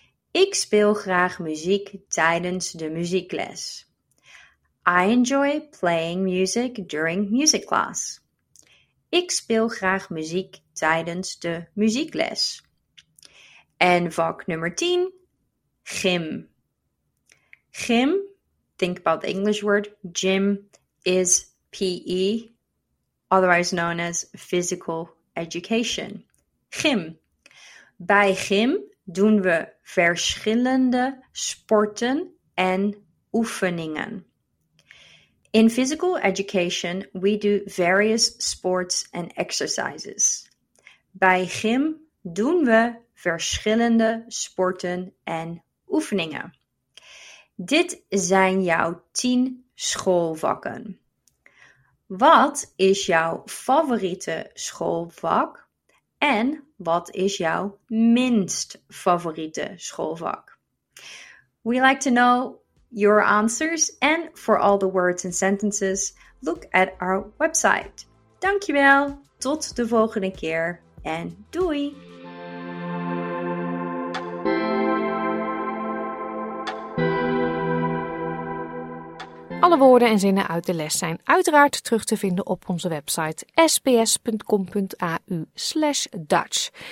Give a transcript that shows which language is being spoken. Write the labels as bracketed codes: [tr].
[nl] Ik speel graag muziek tijdens de muziekles. [en] I enjoy playing music during music class. [nl] Ik speel graag muziek tijdens de muziekles. En vak nummer 10, gym. [en] Gym, think about the English word, gym is PE, otherwise known as physical education. [nl] Gym. Bij gym doen we verschillende sporten en oefeningen. [en] In physical education, we do various sports and exercises. [nl] Bij gym doen we verschillende sporten en oefeningen. Dit zijn jouw 10 schoolvakken. Wat is jouw favoriete schoolvak? En wat is jouw minst favoriete schoolvak? [en] We like to know your answers. And for all the words and sentences, look at our website. [nl] Dankjewel, tot de volgende keer en doei! Alle woorden en zinnen uit de les zijn uiteraard terug te vinden op onze website sbs.com.au/Dutch.